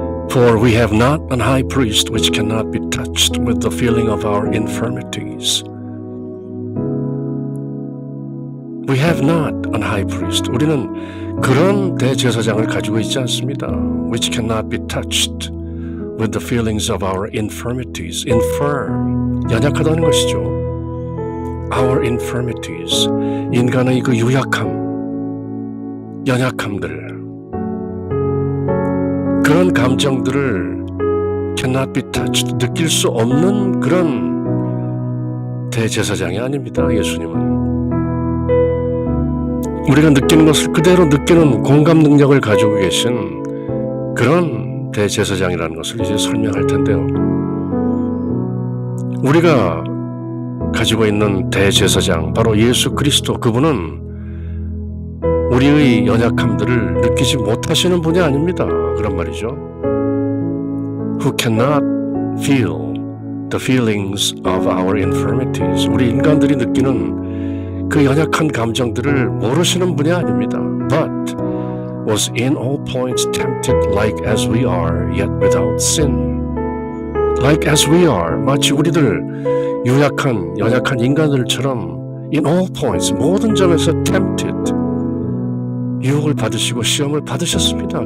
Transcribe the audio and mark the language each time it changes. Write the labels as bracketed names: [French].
[English] For we have not an high priest which cannot be touched with the feeling of our infirmities. We have not an high priest. [Korean] 우리는 그런 대제사장을 가지고 있지 않습니다. [English] Which cannot be touched with the feelings of our infirmities. Infirm, [Korean] 연약하다는 것이죠. [English] Our infirmities, [Korean] 인간의 그 유약함, 연약함들, 그런 감정들을 [English] cannot be touched, [Korean] 느낄 수 없는 그런 대제사장이 아닙니다. 예수님은 우리가 느끼는 것을 그대로 느끼는 공감 능력을 가지고 계신 그런 대제사장이라는 것을 이제 설명할 텐데요. 우리가 가지고 있는 대제사장, 바로 예수 그리스도, 그분은 우리의 연약함들을 느끼지 못하시는 분이 아닙니다. 그런 말이죠. [English] Who cannot feel the feelings of our infirmities? [Korean] 우리 인간들이 느끼는 그 연약한 감정들을 모르시는 분이 아닙니다. [English] But was in all points tempted like as we are, yet without sin. Like as we are, [Korean] 마치 우리들 유약한 연약한 인간들처럼 [English] in all points, [Korean] 모든 점에서 [English] tempted, [Korean] 유혹을 받으시고 시험을 받으셨습니다.